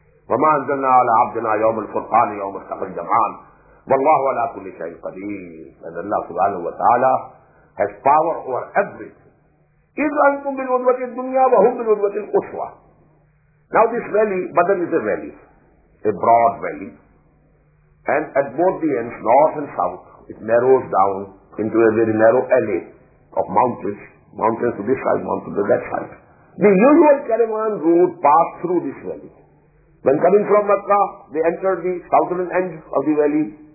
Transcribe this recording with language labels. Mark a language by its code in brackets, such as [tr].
[ar] وما أنزلنا على عبدنا يوم الفرقان يوم التقى الجمعان والله على كل شيء قدير. [en] And Allah subhanahu wa ta'ala has power over everything. [ar] إذ أنتم بالعدوة الدنيا وهم بالعدوة القصوى. [en] Now this valley, Badr is a valley, a broad valley. And at both the ends, north and south, it narrows down into a very narrow alley of mountains, mountains to this side, mountains to that side. The usual caravan route passed through this valley. When coming from Makkah, they entered the southern end of the valley